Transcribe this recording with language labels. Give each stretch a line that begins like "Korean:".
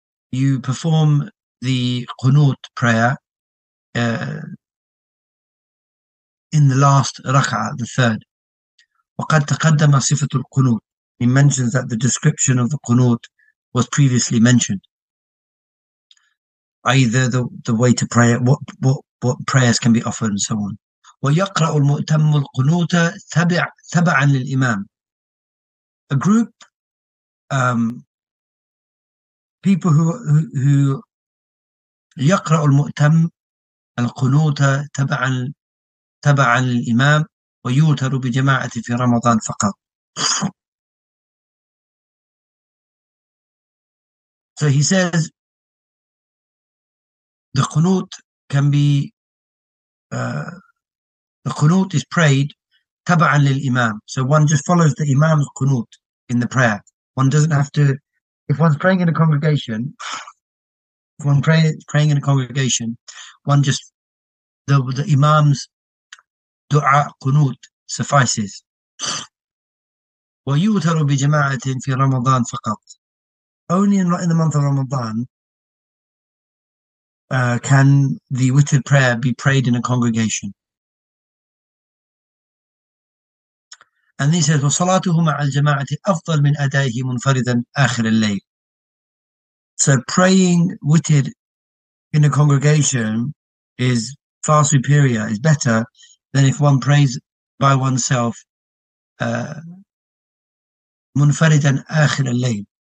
English: You perform the Qunut prayer in the last raka'ah, the third.
Arabic: وَقَدْ تَقَدَّمَ صِفَةُ الْقُنُوتِ.
English: He mentions that the description of the Qunut was previously mentioned, either the way to pray, what prayers can be offered, and so on.
Arabic: وَيَقْرَأُ الْمُؤْتَمُّ الْقُنُوتَ تَبَعًا لِلْإِمَامِ.
English: A group, people who
Arabic: يَقْرَأُ الْمُؤْتَمُّ الْقُنُوتَ تَبَعًا لِلْإِمَامِ وَيُوتَرُ بِجَمَاعَةِ فِي رَمَضَانَ فَقَطْ.
English: So he says the Qunut can be the Qunut is prayed
Arabic: taba'an lil imam.
English: So one just follows the imam's Qunut in the prayer. One doesn't have to, if one's praying in a congregation, one just the imam's du'a Qunut suffices.
Arabic: وَيُوتَرُ بِجَمَاعَةٍ فِي رَمَضَانَ فَقَطْ.
English: Only in the month of Ramadan can the witr prayer be prayed in a congregation. And he says,
Arabic: وَصَلَاتُهُ مَعَ الْجَمَاعَةِ أَفْضَلْ مِنْ أَدَائِهِ مُنْفَرِدًا آخِرَ اللَّيْلِ.
English: So praying witr in a congregation is far superior, is better than if one prays by oneself
Arabic: مُنْفَرِدًا آخِرَ اللَّيْلِ.